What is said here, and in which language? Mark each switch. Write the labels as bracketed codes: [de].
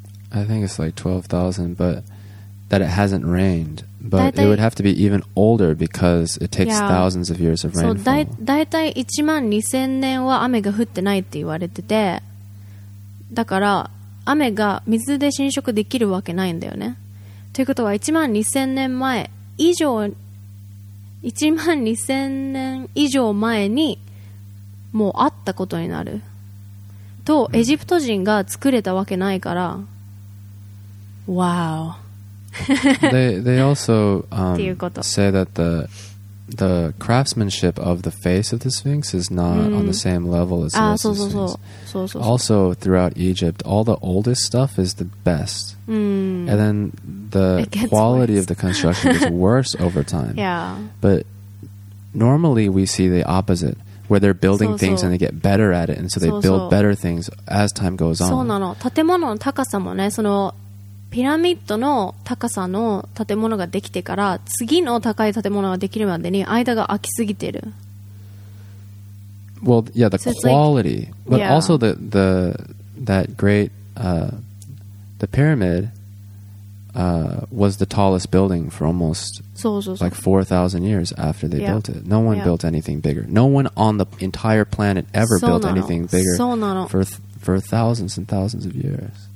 [en] I think it's like 12,000, but that it hasn't rained. But it would have to be even older because it takes thousands of years of rainfall. [ja] だいたい1万2000年は雨が降ってないって言われてて、だから雨が水で浸食できるわけないんだよね。ということは1万2000年前以上、1万2000年以上前にもうあったことになると、エジプト人が作れたわけないから、 [en] Wow. they also say that the craftsmanship of the face of the Sphinx is not on the same level as the Sphinx. Also throughout Egypt, all the oldest stuff is the best. And then the quality of the construction is worse over time. But normally we see the opposite, where they're building things and they get better at it, and so they build better things as time goes on. [ja] そうなの。建物の高さもね、そのピラミッドの高さの建物ができてから次の高い建物ができるまでに間が空きすぎてる。 [en] Well, yeah, the quality, but also the that great the pyramid was the tallest building for almost like 4,000 years after they built it. No one built anything bigger. No one on the entire planet ever built anything bigger for thousands and thousands of years.